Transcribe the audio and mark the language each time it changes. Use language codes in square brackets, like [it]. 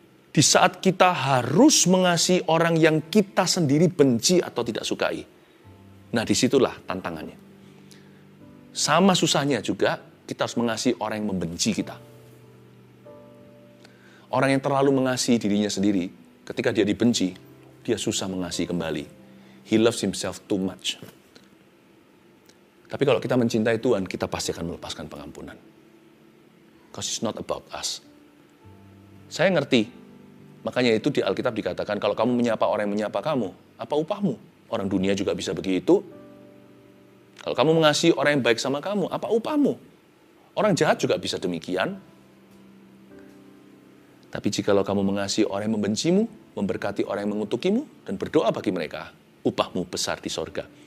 [id] Di saat kita harus mengasihi orang yang kita sendiri benci atau tidak sukai. Nah disitulah tantangannya. Sama susahnya juga kita harus mengasihi orang yang membenci kita. Orang yang terlalu mengasihi dirinya sendiri. Ketika dia dibenci, dia susah mengasihi kembali. [en] He loves himself too much. [id] Tapi kalau kita mencintai Tuhan, kita pasti akan melepaskan pengampunan. [en] Because it's not about us. [id] Saya ngerti. Makanya itu di Alkitab dikatakan, kalau kamu menyapa orang yang menyapa kamu, apa upahmu? Orang dunia juga bisa begitu. Kalau kamu mengasihi orang yang baik sama kamu, apa upahmu? Orang jahat juga bisa demikian. Tapi jikalau kamu mengasihi orang yang membencimu, memberkati orang yang mengutukimu, dan berdoa bagi mereka, upahmu besar di sorga.